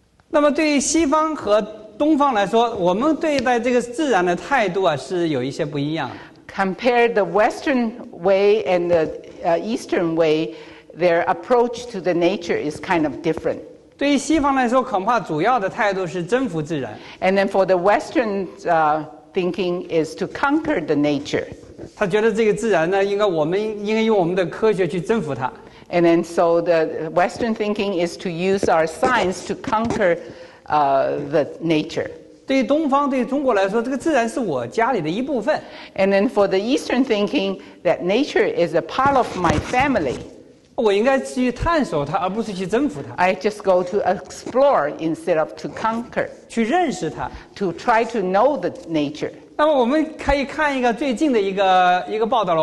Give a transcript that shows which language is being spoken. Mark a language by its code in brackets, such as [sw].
[zh] 那么对于西方和东方来说我们对待这个自然的态度啊是有一些不一样的 [en] Compare the western way and the eastern wayTheir approach to the nature is kind of different. [zh] 对于西方来说，恐怕主要的态度是征服自然。 [en] And then for the Western thinking is to conquer the nature. [zh] 他觉得这个自然呢，应该用我们的科学去征服它。 [en] And then so the Western thinking is to use our science to conquer the nature. [zh] 对于东方，对于中国来说，这个自然是我家里的一部分。 [en] And then for the Eastern thinking, that nature is a part of my family. [zh] 我应该去探索它，而不是去征服它。 [en] I just go to explore instead of to conquer. [zh] 去认识它。 [en] To try to know the nature. [zh] 那么我们可以看一个最近的一个报道了。